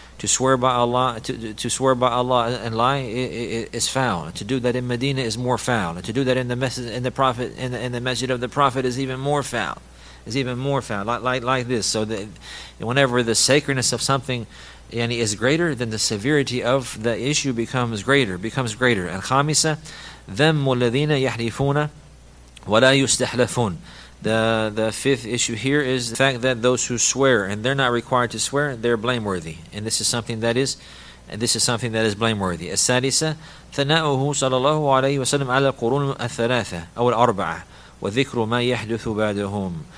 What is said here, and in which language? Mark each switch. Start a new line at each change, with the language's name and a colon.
English: To swear by Allah and lie is foul. To do that in Medina is more foul. And to do that in the masjid of the Prophet is even more foul. It's even more foul. Like this. So that whenever the sacredness of something and is greater, then the severity of the issue becomes greater.
Arabic: Al-Khamisa, ذَمُّ الَّذِينَ يَحْلِفُونَ وَلَا يُسْتَحْلَفُونَ.
English: The fifth issue here is the fact that those who swear and they're not required to swear, they're blameworthy. And this is something that is blameworthy.
Arabic: السَّادِسَ ثَنَاؤُهُ صَلَى اللَّهُ عَلَيْهِ وَسَلَّمَ عَلَى الْقُرُونَ الثَّلَاثَةَ أَوْ الْأَرْبَعَةَ وَذِكْرُ مَا يَحْدُثُ بَعْدَهُمْ.